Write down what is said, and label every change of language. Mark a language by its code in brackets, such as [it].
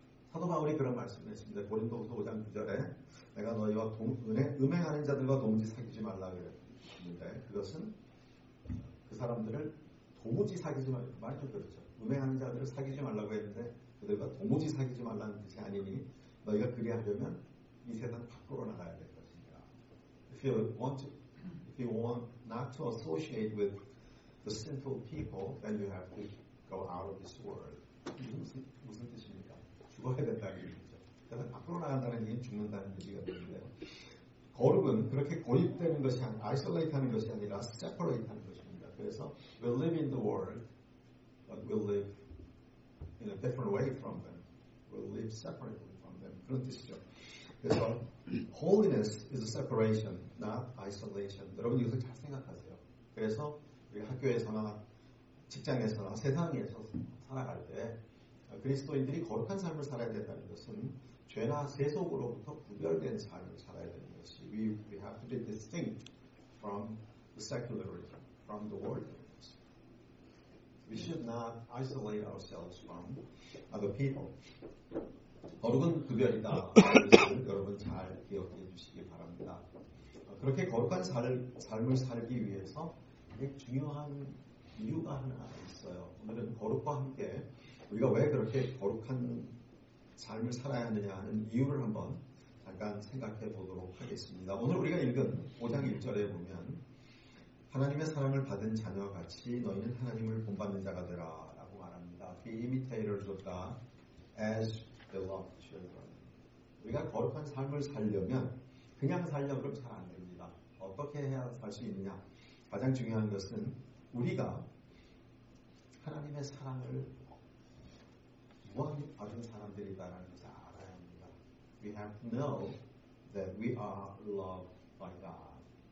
[ko] 사도 바울이 그런 말씀을 했습니다. 고린도후서 5장 9절에 내가 너희와 음행하는 자들과 동지 사귀지 말라 그랬는데 그것은 그 사람들을 도무지 사귀지 말라고 많이 좀 그렇죠. 음행하는 자들을 사귀지 말라고 했는데 그들과 도무지 사귀지 말라는 뜻이 아니니 너희가 그리하려면 이 세상 밖으로 나가야 될 것입니다. [en] If you want not to associate with the sinful people, then you have to go out of this world. [ko] 이게 무슨 뜻입니까? 죽어야 된다는 얘기죠. 그래서 밖으로 나간다는 얘기는 죽는다는 얘기거든요. 거룩은 그렇게 고립되는 것이 아니라 isolate 하는 것이 아니라 separate 하는 것입니다. [en] 그래서 we live in the world, but we live in a different way from them. We live separately from them. [ko] 그런 뜻이죠. 그래서 [en] holiness is a separation, not isolation. [ko] 여러분 이것을 잘 생각하세요. 그래서 우리가 학교에서나 직장에서나 세상에서 살아갈 때 그리스도인들이 거룩한 삶을 살아야 된다는 것은 죄나 세속으로부터 구별된 삶을 살아야 되는 것이 [en] we have be distinct from the secularism, from the worldviews. We should not isolate ourselves from other people. [ko] 거룩은 구별이다. 여러분 잘 기억해 주시기 바랍니다. 그렇게 거룩한 삶을 살기 위해서 중요한 이유가 하나 있어요. 오늘은 거룩과 함께 우리가 왜 그렇게 거룩한 삶을 살아야 하느냐 하는 이유를 한번 잠깐 생각해 보도록 하겠습니다. 오늘 우리가 읽은 5장 1절에 보면 하나님의 사랑을 받은 자녀와 같이 너희는 하나님을 본받는 자가 되라 라고 말합니다. [en] Be imitators of God as beloved children. [ko] 우리가 거룩한 삶을 살려면 그냥 살려 그럼 잘 안 됩니다. 어떻게 해야 살 수 있느냐. 가장 중요한 것은 우리가 하나님의 사랑을 무한히 받은 사람들이다라는 것을 알아야 합니다. [en] We have to know that we are loved by God.